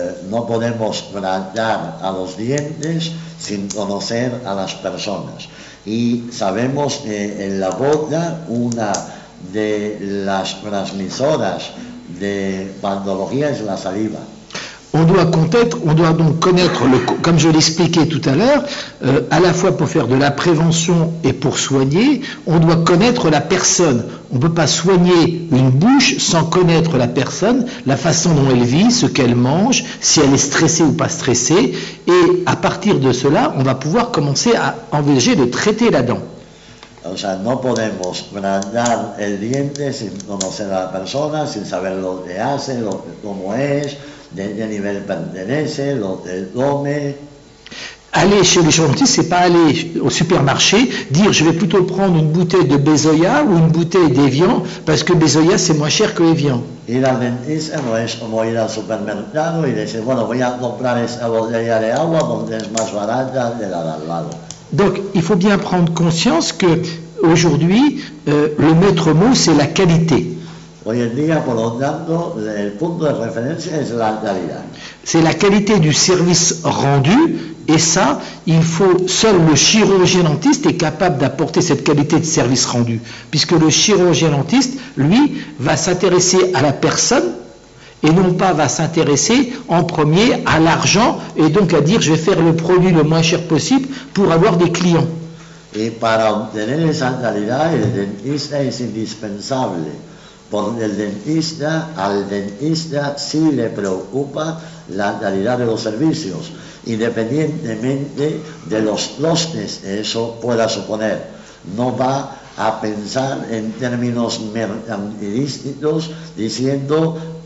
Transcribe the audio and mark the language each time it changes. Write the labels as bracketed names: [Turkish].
[Spanish] No podemos tratar a los dientes sin conocer a las personas. Y sabemos que en la boca una de las transmisoras de patología es la saliva. [French] On doit donc connaître, comme je l'expliquais tout à l'heure, à la fois pour faire de la prévention et pour soigner, on doit connaître la personne. On ne peut pas soigner une bouche sans connaître la personne, la façon dont elle vit, ce qu'elle mange, si elle est stressée ou pas stressée. Et à partir de cela, on va pouvoir commencer à envisager de traiter la dent. [Spanish] O sea, no podemos tratar el diente sin conocer a la persona, sin saber lo que hace, cómo es, de qué nivel pertenece, lo que come. [French] Aller chez les gentils, c'est pas aller au supermarché, dire je vais plutôt prendre une bouteille de Bezoya ou une bouteille d'Evian, parce que Bezoya c'est moins cher que Evian. [Spanish] Ir al dentista no es como ir al supermercado y decir, bueno, voy a comprar esta botella de agua porque es más barata de la de al lado. [French] Donc, il faut bien prendre conscience que aujourd'hui, le maître mot, c'est la qualité. [Spanish] Hoy en día, por lo tanto, el punto de referencia es la calidad. [French] C'est la qualité du service rendu, et ça, il faut seul le chirurgien dentiste est capable d'apporter cette qualité de service rendu, puisque le chirurgien dentiste, lui, va s'intéresser à la personne. Et non pas va s'intéresser en premier à l'argent et donc à dire je vais faire le produit le moins cher possible pour avoir des clients. Et pour obtenir cette qualité, le dentiste est indispensable. Pour le dentiste, [Spanish] al dentiste, si le preocupa la qualité de los servicios, independientemente de los costes que eso pueda suponer, no va a pensar en términos mercantilísticos diciendo.